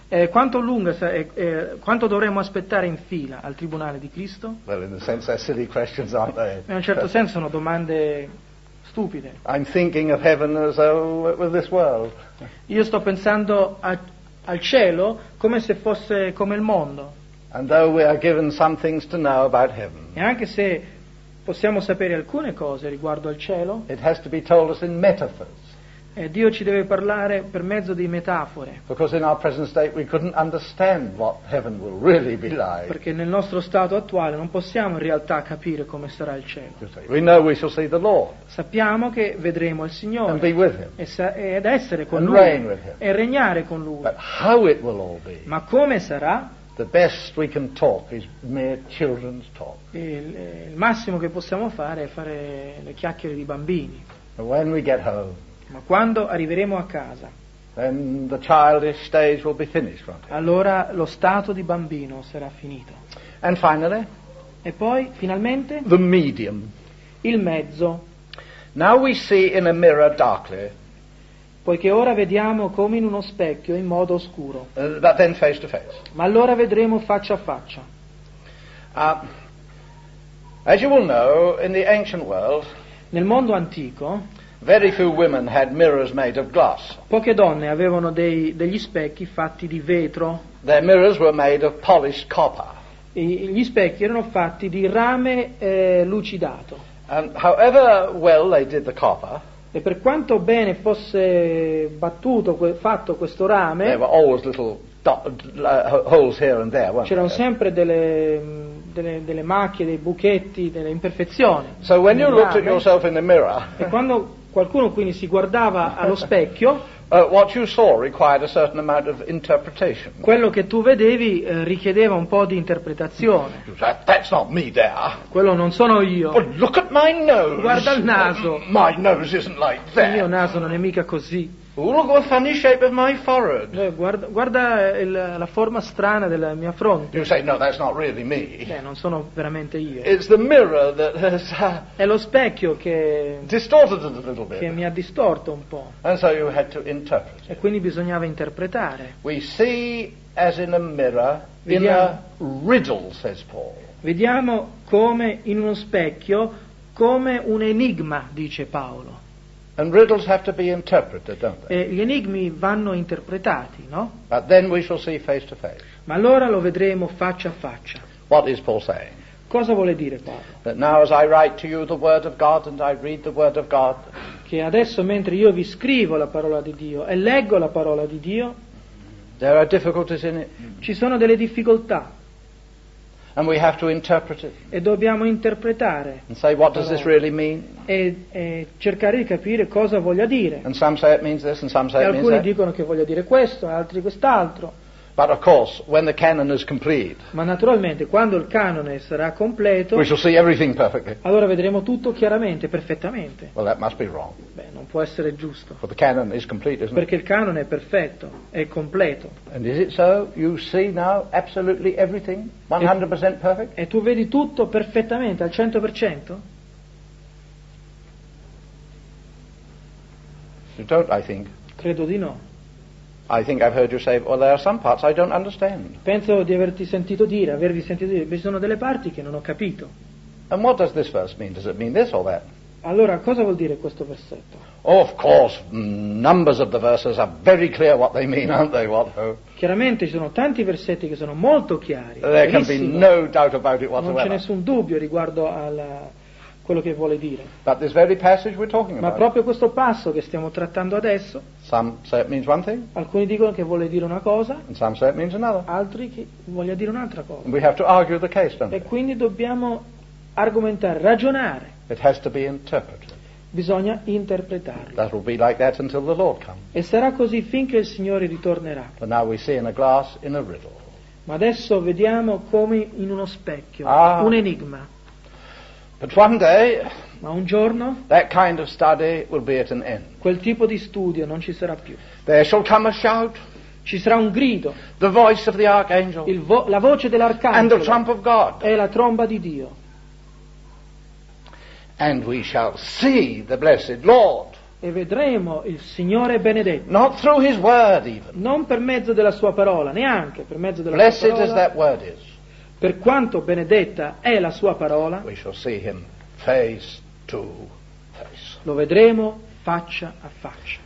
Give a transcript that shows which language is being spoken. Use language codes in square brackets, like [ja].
[it] Quanto dovremmo aspettare in fila al tribunale di Cristo? [en] Well, in a sense they're silly questions, aren't they? [it] In un certo senso sono domande stupide. [en] I'm thinking of heaven as though it was this world. [it] Io sto pensando al cielo come se fosse come il mondo. [en] And though we are given some things to know about heaven. [it] E anche se possiamo sapere alcune cose riguardo al cielo. [en] It has to be told us in metaphors. [it] E Dio ci deve parlare per mezzo di metafore. [en] Because in our present state we couldn't understand what heaven will really be like. [it] Perché nel nostro stato attuale non possiamo in realtà capire come sarà il cielo. [en] We know we shall see the Lord. [it] Sappiamo che vedremo il Signore. [en] And be with him. [it] Ed essere con [en] and [it] lui. [en] Reign with him. [it] E regnare con lui. [en] But how it will all be. [it] Ma come sarà? [en] The best we can talk is mere children's talk. [it] Il massimo che possiamo fare è fare le chiacchiere di bambini. [en] But when we get home. [it] Ma quando arriveremo a casa, [en] then the childish stage will be finished, won't it? [it] Allora lo stato di bambino sarà finito. [en] And finally, [it] e poi, finalmente, [en] the medium. [it] Il mezzo. [en] Now we see in a mirror darkly, [it] poiché ora vediamo come in uno specchio, in modo oscuro. [en] But then face to face. [it] Ma allora vedremo faccia a faccia. [en] As you will know, in the ancient world, [it] nel mondo antico, [en] very few women had mirrors made of glass. [it] Poche donne avevano degli specchi fatti di vetro. [en] Their mirrors were made of polished copper. [it] Gli specchi erano fatti di rame lucidato. [en] And however well they did the copper, [it] e per quanto bene fosse battuto, fatto questo rame, [en] there were always little holes here and there, weren't [it] c'erano [en] there? [it] Sempre delle macchie, dei buchetti, delle imperfezioni. [en] So when you looked at yourself in the mirror, [it] e quando qualcuno quindi si guardava allo specchio. [en] What you saw required a certain amount of interpretation. [it] Quello che tu vedevi richiedeva un po' di interpretazione. [en] That's not me there. [it] Quello non sono io. [en] But look at my nose. [it] Guarda il naso. [en] My nose isn't like that. [it] Il mio naso non è mica così. [en] Look at the funny shape of my forehead. [it] Guarda la forma strana della mia fronte. [en] You say, no, that's not really me. [it] Non sono veramente io. [en] It's the mirror that has. [it] È lo specchio che. [en] Distorted it a little bit. [it] Che mi ha distorto un po'. [en] And so you had to interpret. [it] E quindi bisognava interpretare. [en] We see as in a mirror. [it] Vediamo, [en] in a riddle, says Paul. [it] Vediamo come in uno specchio, come un enigma, dice Paolo. [en] And riddles have to be interpreted, don't they? [it] Gli enigmi vanno interpretati, no? [en] But then we shall see face to face. [it] Ma allora lo vedremo faccia a faccia. [en] What is Paul saying? [it] Cosa vuole dire Paolo? [en] That now as I write to you the word of God and I read the word of God. [it] Che adesso mentre io vi scrivo la parola di Dio e leggo la parola di Dio. [en] There are difficulties in it. [it] Ci sono delle difficoltà. [en] And we have to interpret it. [it] E dobbiamo interpretare. [en] And say what does this really mean? [it] E cercare di capire cosa voglia dire. [en] And some say it means this, and some say it means that. [it] Alcuni dicono che voglia dire questo, altri quest'altro. [en] But of course, when the canon is complete, [it] ma naturalmente quando il canone sarà completo, [en] we shall see everything perfectly. [it] Allora vedremo tutto chiaramente, perfettamente. [en] Well, that must be wrong. [it] Beh, non può essere giusto. [en] For the canon is complete, isn't [it] perché [en] it? [it] Il canone è perfetto, è completo. [en] And is it so? You see now absolutely everything, 100% perfect? [it] E tu vedi tutto perfettamente, al 100%? [en] You don't, I think. [it] Credo di no. [en] I think I've heard you say, well, there are some parts I don't understand. [it] Penso di averti sentito dire, avervi sentito dire, ci sono delle parti che non ho capito. [en] And what does this verse mean? Does it mean this or that? [it] Allora, cosa vuol dire questo versetto? [en] Oh, of course, numbers of the verses are very clear what they mean, aren't they, Watho? [it] Chiaramente ci sono tanti versetti che sono molto chiari. [en] There can be no doubt about it whatsoever. [it] Non c'è nessun dubbio riguardo alla quello che vuole dire. [en] But this very passage we're talking about. [it] Ma proprio questo passo che stiamo trattando adesso. [en] Some say it means one thing. [it] Alcuni dicono che vuole dire una cosa. [en] And some say it means another. [it] Altri che voglia dire un'altra cosa. [en] And we have to argue the case, don't we? [it] E quindi dobbiamo argomentare, ragionare. [en] It has to be interpreted. [it] Bisogna interpretarlo. [en] That will be like that until the Lord comes. [it] E sarà così finché il Signore ritornerà. [en] But now we see in a glass in a riddle. [it] Ma adesso vediamo come in uno specchio, un enigma. [en] But one day, [it] ma un giorno, [en] that kind of study will be at an end. [it] Quel tipo di studio non ci sarà più. [en] There shall come a shout. [it] Ci sarà un grido. [en] The voice of the archangel. [it] La voce dell'arcangelo. [en] And the trump of God. [it] E la tromba di Dio. [en] And we shall see the blessed Lord. [it] E vedremo il Signore benedetto. [en] Not through His word even. [it] Non per mezzo della sua parola, neanche per mezzo della [en] blessed [it] sua parola. [en] Blessed as that word is. [it] Per quanto benedetta è la sua parola, [en] we shall see him face to face. [it] Lo vedremo faccia a faccia.